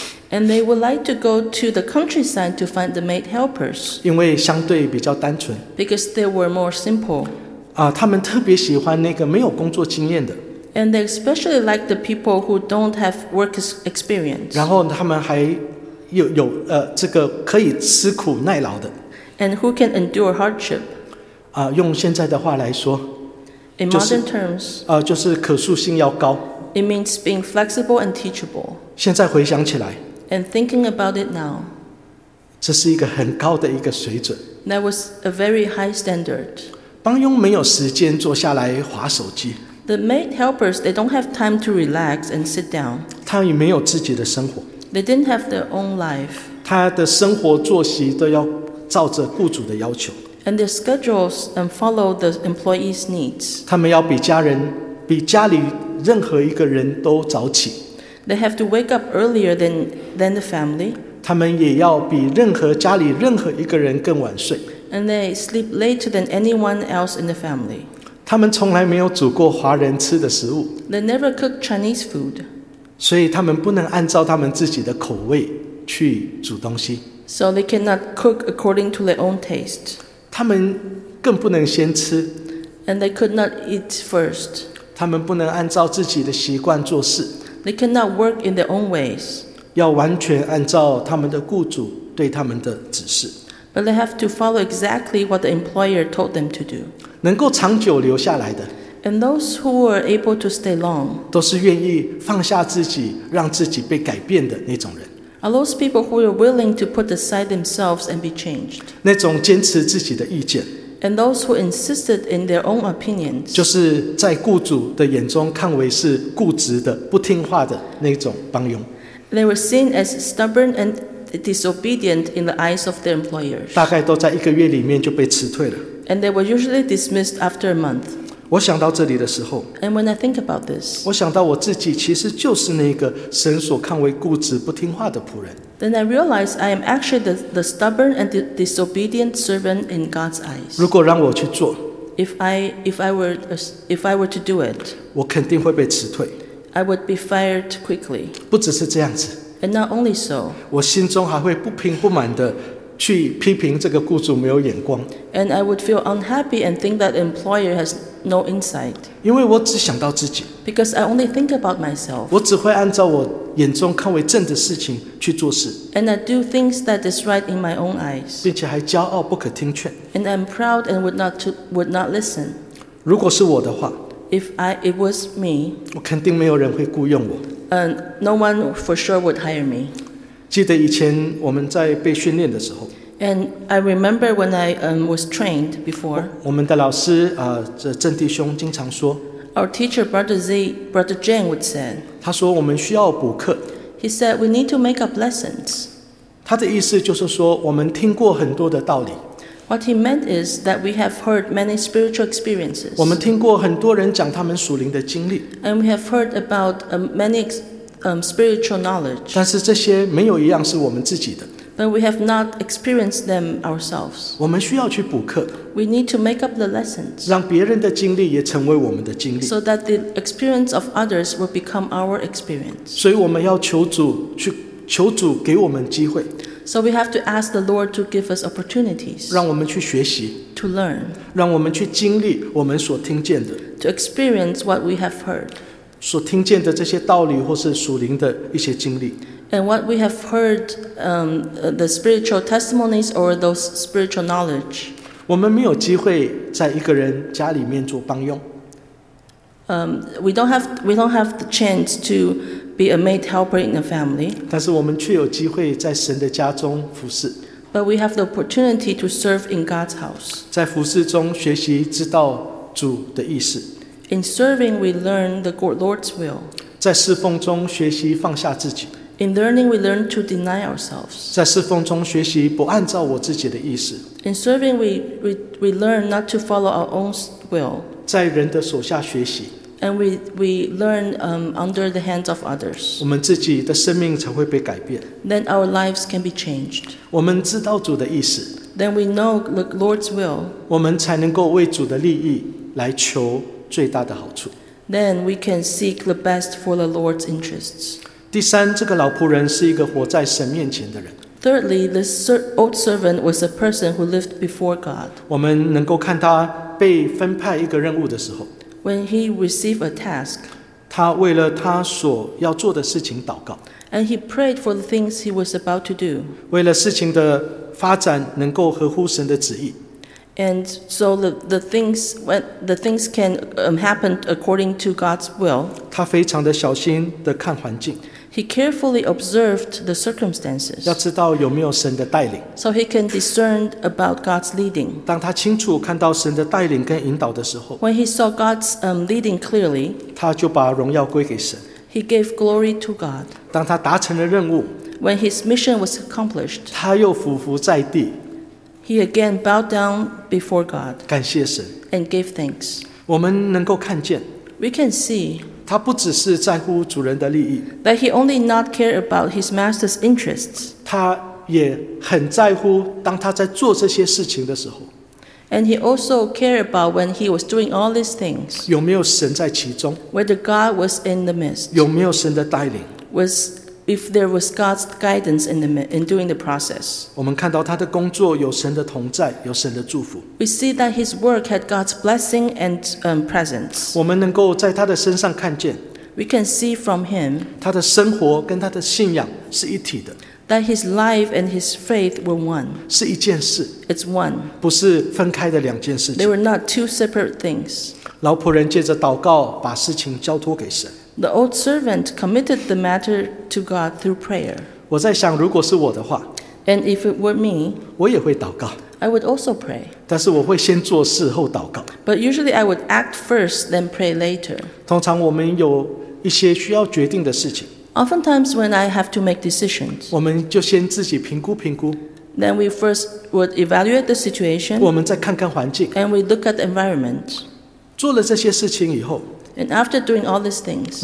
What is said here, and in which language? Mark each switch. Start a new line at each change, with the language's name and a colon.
English: And they would like to go to the countryside to find the maid helpers.
Chinese: 因为相对比较单纯。
English: Because they were more simple.
Chinese: 他们特别喜欢那个没有工作经验的。
English: And they especially like the people who don't have work experience.
Chinese: 然后他们还有这个可以吃苦耐劳的。
English: And who can endure hardship.
Chinese: 用现在的话来说。
English: In modern terms.
Chinese: 就是可塑性要高。
English: It means being flexible and teachable.
Chinese: 现在回想起来。
English: And thinking about it now.
Chinese: 这是一个很高的一个水准。
English: That was a very high standard.
Chinese: 帮佣没有时间坐下来滑手机。
English: The maid helpers, they don't have time to relax and sit down.
Chinese: 他也没有自己的生活。
English: They didn't have their own life.
Chinese: 他的生活作息都要照着雇主的要求。
English: And their schedules and follow the employees' needs.
Chinese: 他们要比家人，比家里任何一个人都早起。
English: They have to wake up earlier than the family.
Chinese: 他们也要比任何家里任何一个人更晚睡。
English: And they sleep later than anyone else in the family.
Chinese: 他们从来没有煮过华人吃的食物。
English: They never cook Chinese food.
Chinese: 所以他们不能按照他们自己的口味去煮东西。
English: So they cannot cook according to their own taste.
Chinese: 他们更不能先吃。
English: And they could not eat first.
Chinese: 他们不能按照自己的习惯做事。
English: They cannot work in their own ways.
Chinese: 要完全按照他们的雇主对他们的指示。
English: But they have to follow exactly what the employer told them to do.
Chinese: 能够长久留下来的。
English: And those who were able to stay long.
Chinese: 都是愿意放下自己，让自己被改变的那种人。
English: Are those people who are willing to put aside themselves and be changed.
Chinese: 那种坚持自己的意见。
English: And those who insisted in their own opinions.
Chinese: 就是在雇主的眼中看为是固执的、不听话的那种帮佣。
English: They were seen as stubborn and disobedient in the eyes of their employers.
Chinese: 大概都在一个月里面就被辞退了。
English: And they were usually dismissed after a month.
Chinese: 我想到这里的时候。
English: And when I think about this.
Chinese: 我想到我自己其实就是那个神所看为固执不听话的仆人。
English: Then I realized I am actually the stubborn and disobedient servant in God's eyes.
Chinese: 如果让我去做。
English: If I were to do it.
Chinese: 我肯定会被辞退。
English: I would be fired quickly.
Chinese: 不只是这样子。
English: And not only so,
Chinese: 我心中还会不平不满的去批评这个雇主没有眼光。
English: And I would feel unhappy and think that employer has no insight.
Chinese: 因为我只想到自己。
English: Because I only think about myself.
Chinese: 我只会按照我眼中看为正的事情去做事。
English: And I do things that is right in my own eyes.
Chinese: 并且还骄傲不可听劝。
English: And I'm proud and would not listen.
Chinese: 如果是我的话。
English: If it was me,
Chinese: 我肯定没有人会雇用我。
English: No one for sure would hire me.
Chinese: 记得以前我们在被训练的时候。
English: And I remember when I was trained before.
Chinese: 我们的老师郑弟兄经常说。
English: Our teacher Brother Jane would say.
Chinese: 他说我们需要补课。
English: He said we need to make up lessons.
Chinese: 他的意思就是说我们听过很多的道理。
English: What he meant is that we have heard many spiritual experiences.
Chinese: 我们听过很多人讲他们属灵的经历。
English: And we have heard about many spiritual knowledge.
Chinese: 但是这些没有一样是我们自己的。
English: But we have not experienced them ourselves.
Chinese: 我们需要去补课。
English: We need to make up the lessons.
Chinese: 让别人的经历也成为我们的经历。
English: So that the experience of others will become our experience.
Chinese: 所以我们要求主去求主给我们机会。
English: So we have to ask the Lord to give us opportunities.
Chinese: 让我们去学习。
English: To learn.
Chinese: 让我们去经历我们所听见的。
English: To experience what we have heard.
Chinese: 所听见的这些道理或是属灵的一些经历。
English: And what we have heard, the spiritual testimonies or those spiritual knowledge.
Chinese: 我们没有机会在一个人家里面做帮佣。
English: We don't have the chance to be a maid helper in a family.
Chinese: 但是我们却有机会在神的家中服侍。
English: But we have the opportunity to serve in God's house.
Chinese: 在服侍中学习知道主的意思。
English: In serving, we learn the Lord's will.
Chinese: 在侍奉中学习放下自己。
English: In learning, we learn to deny ourselves.
Chinese: 在侍奉中学习不按照我自己的意思。
English: In serving, we learn not to follow our own will.
Chinese: 在人的手下学习。
English: And we learn under the hands of others.
Chinese: 我们自己的生命才会被改变。
English: Then our lives can be changed.
Chinese: 我们知道主的意思。
English: Then we know the Lord's will.
Chinese: 我们才能够为主的利益来求最大的好处。
English: Then we can seek the best for the Lord's interests.
Chinese: 第三，这个老仆人是一个活在神面前的人。
English: Thirdly, this old servant was a person who lived before God.
Chinese: 我们能够看他被分派一个任务的时候。
English: When he received a task,
Chinese: 他为了他所要做的事情祷告。
English: And he prayed for the things he was about to do.
Chinese: 为了事情的发展能够合乎神的旨意。
English: And so the things can happen according to God's will.
Chinese: 他非常的小心的看环境。
English: He carefully observed the circumstances.
Chinese: 要知道有没有神的带领。
English: So he can discern about God's leading.
Chinese: 当他清楚看到神的带领跟引导的时候。
English: When he saw God's leading clearly.
Chinese: 他就把荣耀归给神。
English: He gave glory to God.
Chinese: 当他达成了任务。
English: When his mission was accomplished.
Chinese: 他又俯伏在地。
English: He again bowed down before God.
Chinese: 感谢神。
English: And gave thanks.
Chinese: 我们能够看见。
English: We can see.
Chinese: 他不只是在乎主人的利益。
English: That he only not care about his master's interests.
Chinese: 他也很在乎当他在做这些事情的时候。
English: And he also cared about when he was doing all these things.
Chinese: 有没有神在其中。
English: Whether God was in the midst.
Chinese: 有没有神的带领。
English: Was if there was God's guidance in doing the process.
Chinese: 我们看到他的工作有神的同在，有神的祝福。
English: We see that his work had God's blessing and presence.
Chinese: 我们能够在他的身上看见。
English: We can see from him.
Chinese: 他的生活跟他的信仰是一体的。
English: That his life and his faith were one.
Chinese: 是一件事。
English: It's one.
Chinese: 不是分开的两件事情。
English: They were not two separate things.
Chinese: 老仆人借着祷告把事情交托给神。
English: The old servant committed the matter to God through prayer.
Chinese: 我在想如果是我的话。
English: And if it were me.
Chinese: 我也会祷告。
English: I would also pray.
Chinese: 但是我会先做事后祷告。
English: But usually I would act first then pray later.
Chinese: 通常我们有一些需要决定的事情。
English: Oftentimes when I have to make decisions,
Chinese: 我们就先自己评估评估。
English: Then we first would evaluate the situation.
Chinese: 我们再看看环境。
English: And we look at the environment.
Chinese: 做了这些事情以后。
English: And after doing all these things.